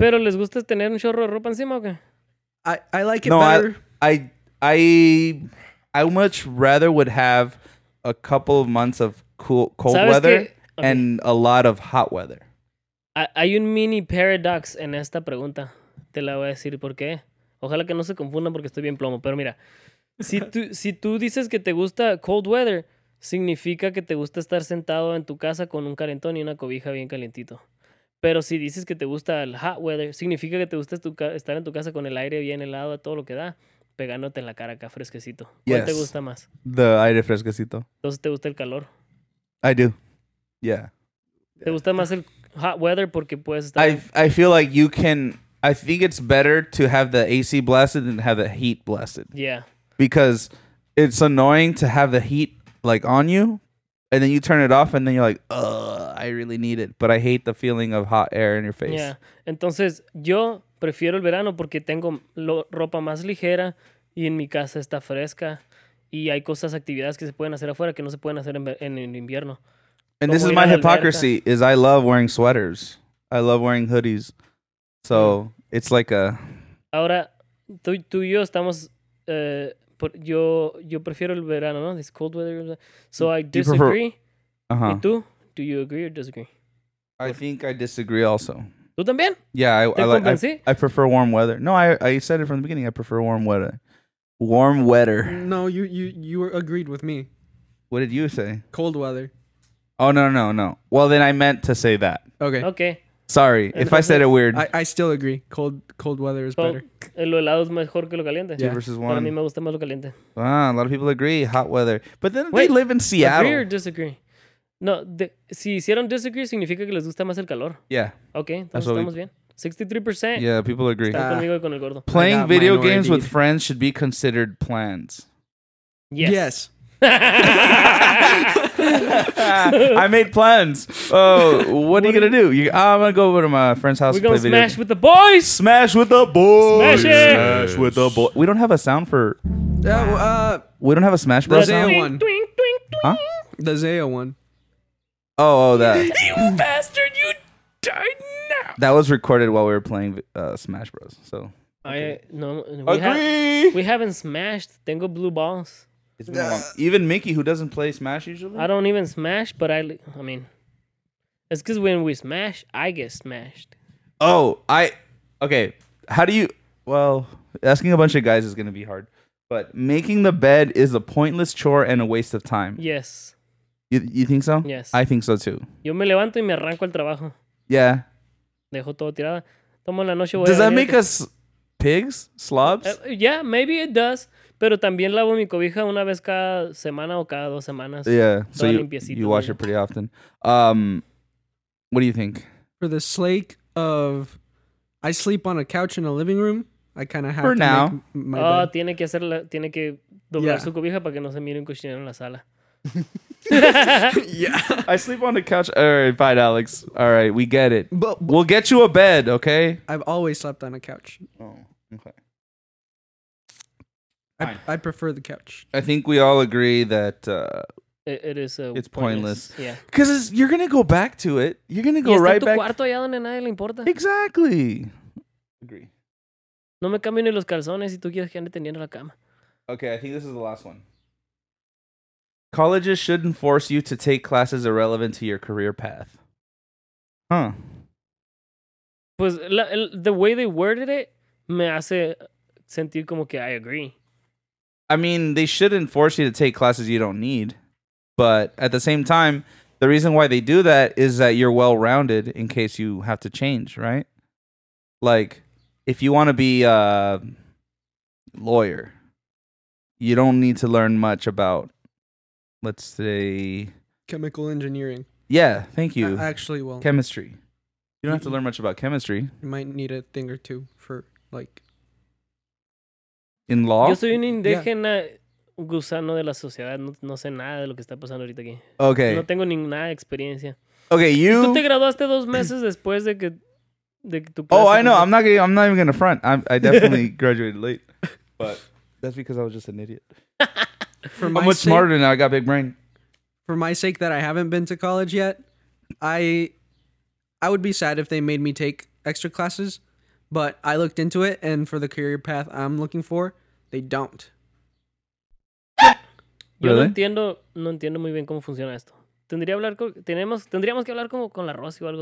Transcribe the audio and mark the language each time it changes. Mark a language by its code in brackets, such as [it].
[es] ¿Pero les gusta tener un chorro de ropa encima o qué? [en] I like it better. I much rather would have a couple of months of cold weather and a lot of hot weather. [es] Hay un mini paradox en esta pregunta. Te la voy a decir por qué. Ojalá que no se confundan porque estoy bien plomo. Pero mira, si tú dices que te gusta cold weather, significa que te gusta estar sentado en tu casa con un calentón y una cobija bien calientito. Pero si dices que te gusta el hot weather, significa que te gusta estar en tu casa con el aire bien helado, todo lo que da. Pegándote en la cara acá fresquecito. ¿Cuál te gusta más? The aire fresquecito. Entonces, ¿te gusta el calor? [en] I do. Yeah. [es] ¿Te gusta más el hot weather porque puedes estar... [en] I feel like you can... I think it's better to have the AC blasted than have the heat blasted. Yeah. Because it's annoying to have the heat, like, on you, and then you turn it off, and then you're like, ugh, I really need it. But I hate the feeling of hot air in your face. Yeah. [es] Entonces, yo prefiero el verano porque tengo ropa más ligera y en mi casa está fresca. Y hay cosas, actividades que se pueden hacer afuera que no se pueden hacer en invierno. [en] And this is my hypocrisy, is I love wearing sweaters. I love wearing hoodies. So, it's like a... [es] Ahora, tú y yo estamos... Yo prefiero el verano, ¿no? [en] This cold weather. So, I disagree. Prefer, uh-huh. [es] ¿Y tú? [en] Do you agree or disagree? I think I disagree also. ¿Tú también? Yeah, I prefer warm weather. No, I said it from the beginning. I prefer warm weather. Warm weather. No, you agreed with me. What did you say? Cold weather. Oh, no. Well, then I meant to say that. Okay. Sorry, and if I said it weird. I still agree. Cold weather is better. [es] El helado es mejor que lo caliente. [en] Yeah. 2 versus 1. [es] Para mí me gusta más lo caliente. [en] Wow, a lot of people agree. Hot weather. But then they live in Seattle. Agree or disagree? [es] No, si hicieron disagree, significa que les gusta más el calor. [en] Yeah. [es] Okay, entonces estamos bien. 63%. [en] Yeah, people agree. [es] Está conmigo y con el gordo. [en] Playing video games with friends should be considered plans. Yes. Yes. I made plans. Oh, what are you gonna do? I'm gonna go over to my friend's house. We're gonna play video smash game with the boys. Smash with the boys. Smash it. Smash with the boys. We don't have a sound for. Yeah, well, we don't have a Smash Bros. The Zaya one. Twing, twing, twing. Huh? The Zaya one. Oh, that. You bastard! You died now. That was recorded while we were playing Smash Bros. So. Okay. Agree. We haven't smashed. Tengo blue balls. Even Mickey, who doesn't play Smash usually? I don't even Smash, but I mean, it's because when we smash, I get smashed. Oh, okay. How do you, well, asking a bunch of guys is going to be hard, but making the bed is a pointless chore and a waste of time. Yes. You think so? Yes. I think so too. [es] Yo me levanto y me arranco el trabajo. [en] Yeah. [es] Dejo todo tirado. Tomo la noche. [en] Does that make us pigs? Slobs? Yeah, maybe it does. [es] Pero también lavo mi cobija una vez cada semana o cada dos semanas. [en] Yeah, so you wash it pretty often. What do you think? For the sake of... I sleep on a couch in a living room. I kind of have for to now make my bed. [es] Oh, tiene que hacer tiene que doblar su cobija para que no se mire un cochinero en la sala. [en] Yeah. I sleep on the couch. All right, fine, Alex. All right, we get it. But we'll get you a bed, okay? I've always slept on a couch. Oh, okay. I prefer the couch. I think we all agree that it's pointless. Yeah, because you're gonna go back to it. You're gonna go [es] y está [en] right [es] tu [en] back. [es] Cuarto allá donde nadie le importa. [en] Exactly. Agree. [es] No me cambio ni los calzones si tú quieres que ande tendiendo la cama. [en] Okay, I think this is the last one. Colleges shouldn't force you to take classes irrelevant to your career path. Huh? Pues the way they worded it [es] me hace sentir como que [en] I agree. I mean, they shouldn't force you to take classes you don't need. But at the same time, the reason why they do that is that you're well-rounded in case you have to change, right? Like, if you want to be a lawyer, you don't need to learn much about, let's say... Chemical engineering. Yeah, thank you. Actually, well... Chemistry. You don't have to learn much about chemistry. You might need a thing or two for, like... In law? [es] Yo soy un indígena gusano de la sociedad. No, no sé nada de lo que está pasando ahorita aquí. [en] Okay. [es] No tengo nada de experiencia. [en] Okay, you... [es] Tú te graduaste 2 meses después de que... De tu [en] clase. Oh, I know. I'm not even going to front. I definitely graduated late. But that's because I was just an idiot. smarter now. I got big brain. For my sake that I haven't been to college yet, I would be sad if they made me take extra classes. But I looked into it, and for the career path I'm looking for, they don't. Really? [es] Yo no entiendo muy bien cómo funciona esto. Tendríamos que hablar con la Rosy o algo.